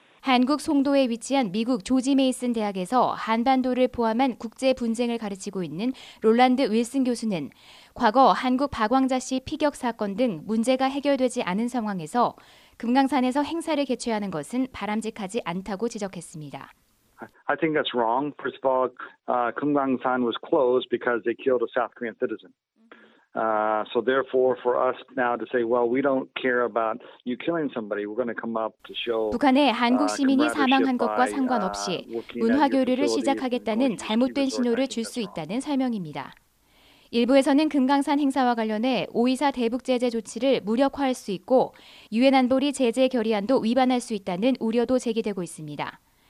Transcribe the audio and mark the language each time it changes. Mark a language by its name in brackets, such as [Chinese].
[Korean] 한국 송도에 위치한 미국 조지 메이슨 대학에서 한반도를 포함한 국제 분쟁을 가르치고 있는 롤란드 윌슨 교수는 과거 한국 박왕자 씨 피격 사건 등 문제가 해결되지 않은 상황에서 금강산에서 행사를 개최하는 것은 바람직하지 않다고 지적했습니다. [English] I think that's wrong. First of all, 금강산 was closed because they killed a South Korean citizen. So therefore, for us now to say, well, we don't care about you killing somebody. We're going to come up to show. [Korean] 북한의 한국 시민이 사망한 것과 상관없이 문화 교류를 시작하겠다는 잘못된 신호를 줄 수 있다는 설명입니다. 일부에서는 금강산 행사와 관련해 5.24 대북 제재 조치를 무력화할 수 있고 유엔 안보리 제재 결의안도 위반할 수 있다는 우려도 제기되고 있습니다.